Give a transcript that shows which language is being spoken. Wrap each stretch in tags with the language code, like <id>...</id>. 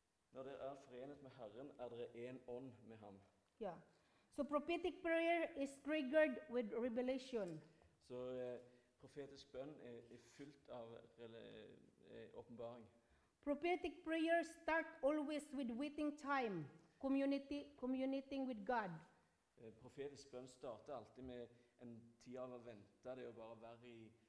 <sv>När det är förenat med Herren är det en ånd med ham.</sv> <en>Ja. So prophetic prayer is triggered with revelation.</en> <sv>Så profetisk bön är fyllt av uppenbaring.</sv> <en>Prophetic prayer start always with waiting time, communicating with God.</en> <sv>Profetisk bön startar alltid med en tid av att vänta, det är bara vara i</sv>